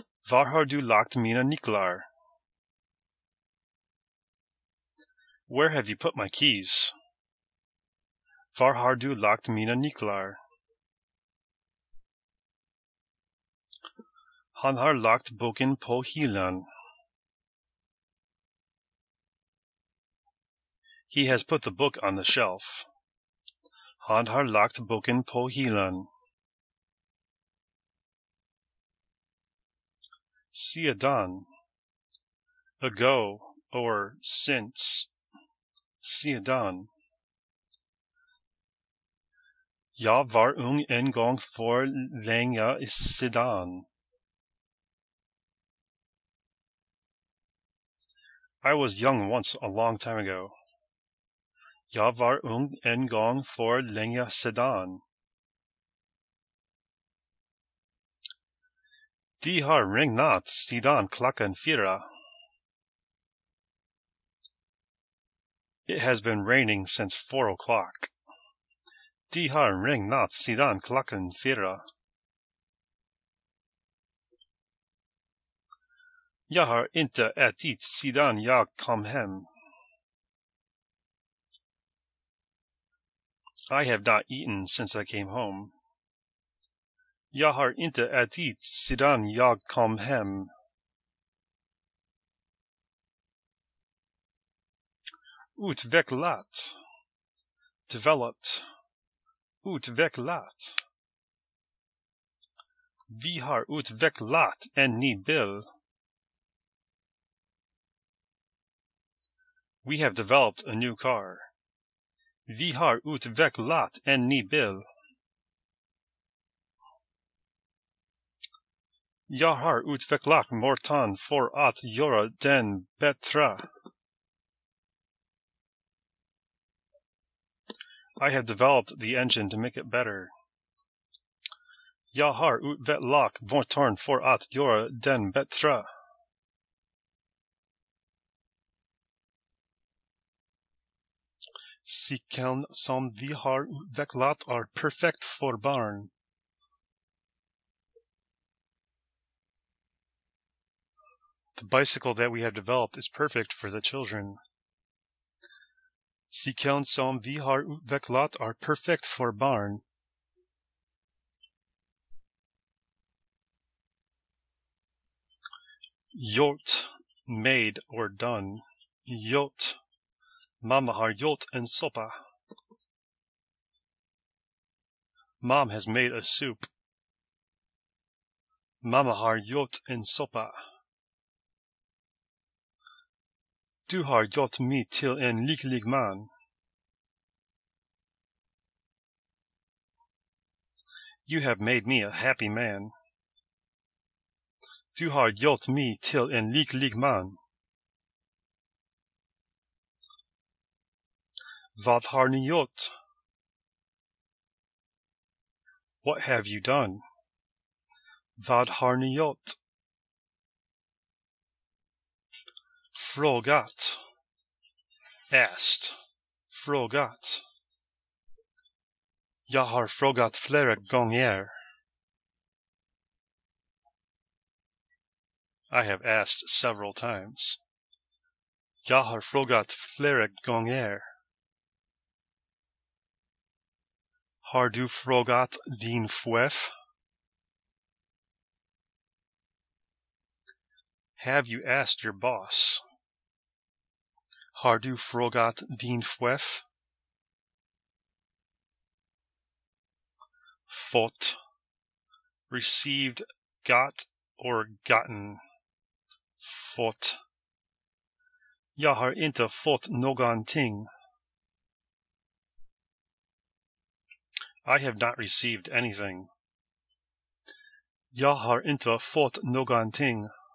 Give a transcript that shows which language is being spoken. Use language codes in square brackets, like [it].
[sv] Var har du lagt mina nycklar? [en] Where have you put my keys? [sv] Var har du lagt mina nycklar? Han har lagt boken på hyllan. [en] He has put the book on the shelf. [sv] Han har lagt boken på hyllan. [en] Sedan. Ago or since. Sedan. [sv] Jag var ung en gång för länge sedan. [en] I was young once a long time ago. [sv] Jag var ung en gång för länge sedan. De har ringnat sedan klockan fyra. [en] It has been raining since 4 o'clock. [sv] De har ringnat sedan klockan fyra. Jag har inte ätit sedan jag kom hem. [en] I have not eaten since I came home. [sv] Jag har inte ätit sedan jag kom hem. Utvecklat. Developed. Utvecklat. Vi har utvecklat en ny bil. [en] We have developed a new car. [sv] Vi har utvecklat en ny bil. Jag har utvecklat motorn för att göra den bättre. [en] I have developed the engine to make it better. [sv] Jag har utvecklat motorn för att göra den bättre. Cykeln som vi har utvecklat är perfekt för barn. [en] The bicycle that we have developed is perfect for the children. [sv] Cykeln som vi har utvecklat är perfekt för barn. [en] Gjort, made or done. Gjort. [sv] Mamma har gjort en soppa. [en] Mom has made a soup. [sv] Mamma har gjort en soppa. Du har gjort mig till en lycklig man. [en] You have made me a happy man. [sv] Du har gjort mig till en lycklig man. Vad har ni gjort? [en] What have you done? [sv] Vad har ni gjort? Frågat. Asked. Frågat. Jag har frågat flera gånger. [en] I have asked several times. [sv] Jag har frågat flera gånger. Har du frågat din chef? [en] Have you asked your boss? [sv] Har du frågat din chef? [en] Fått, received, got, or gotten. [sv] Fått. Jag har inte fått någonting. [en] I have not received anything. [sv] Jag har inte fått någonting.